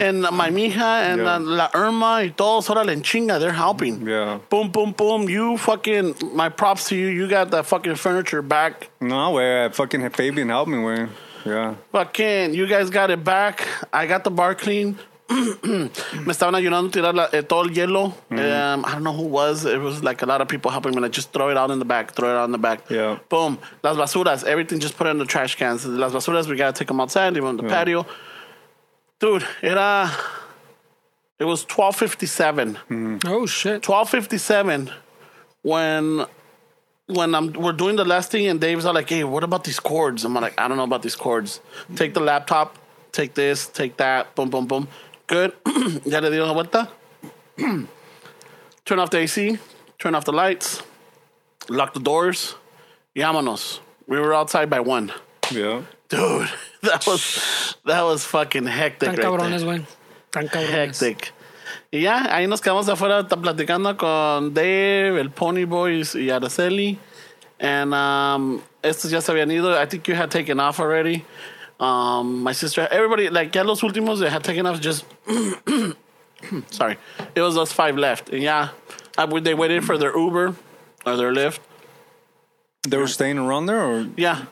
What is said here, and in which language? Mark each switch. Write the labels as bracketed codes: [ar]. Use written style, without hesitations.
[es] en my mija, en la Irma y todos, órale, en chinga, [en] they're helping. Yeah. Boom, boom, boom. You fucking, my props to you. You got that fucking furniture back. No, way. Fucking Fabian helped me, man. Yeah. Fucking, you guys got it back. I got the bar clean. [es] Me estaban ayudando a tirar todo el hielo. [en] I don't know who was. It was like a lot of people helping me. Like, just throw it out in the back. Throw it out in the back. Yeah. Boom. [es] Las basuras. [en] Everything just put in the trash cans. Las basuras, we gotta take them outside, even on the patio. Dude, it was 12:57. Oh shit. 12:57 when we're doing the last thing, and Dave's all like, hey, what about these cords? I'm like, I don't know about these cords. Take the laptop, take this, take that, boom, boom, boom. Good. [es] Ya le dio la vuelta. [en] Turn off the AC. Turn off the lights. Lock the doors. [es] Yamanos. [en] We were outside by 1. Yeah. Dude, that was fucking hectic. [es] Tan cabrones, güey. Tan cabrones. [en] Hectic. [es] Y ya, ahí nos quedamos afuera platicando con Dave, el Pony Boys y Araceli. [en] And [es] estos ya se habían ido. [en] I think you had taken off already. My sister, everybody, like, [es] ya los últimos, [en] they had taken off, just, sorry, it was us 5 left, and they waited for their Uber, or their Lyft. They were staying around there, or? Yeah.